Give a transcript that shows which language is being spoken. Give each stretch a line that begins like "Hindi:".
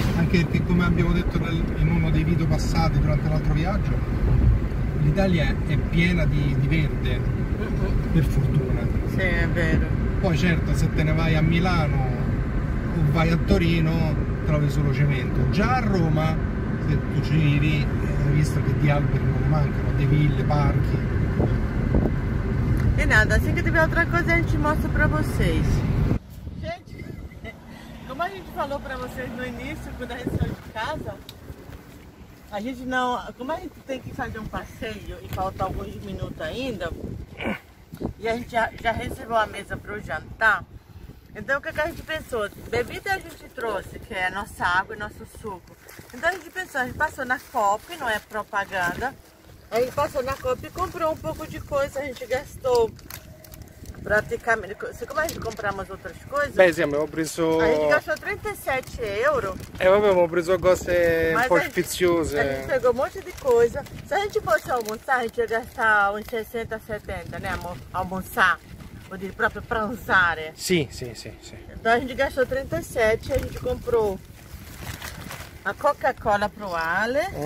Italian: Anche perché, come abbiamo detto in uno dei video passati durante l'altro viaggio, l'Italia è piena di verde, per fortuna. Sì, è vero. Poi certo, se te ne vai a Milano o vai a Torino, trovi solo cemento. Già a Roma, se tu giri, hai visto che di alberi non ne mancano, di ville, parchi.
Portuguese: E nada, assim que tiver outra coisa a gente mostra pra vocês. Gente, como a gente falou pra vocês no início, quando a gente saiu de casa, a gente não. Como a gente tem que fazer um passeio e faltar alguns minutos ainda, e a gente já reservou a mesa pro jantar, então o que a gente pensou? Bebida a gente trouxe, que é a nossa água e nosso suco. Então a gente pensou, a gente passou na Coop, não é propaganda. A gente passou na Copa e comprou um pouco de coisa, a gente gastou praticamente. Você começa a comprar umas outras coisas?
Italian: Beh, sim, abbiamo preso.
Portuguese: A gente gastou 37 euros.
Italian: É, vabbè, abbiamo preso cose un po' sfiziose.
Portuguese: A gente pegou um monte de coisa. Se a gente fosse almoçar, a gente ia gastar uns 60, 70, né? Almoçar. Vou dizer,
Italian: proprio pranzare.
Portuguese: Sim, sim, sim, sim. Então a gente gastou 37, a gente comprou a Coca-Cola pro Ale.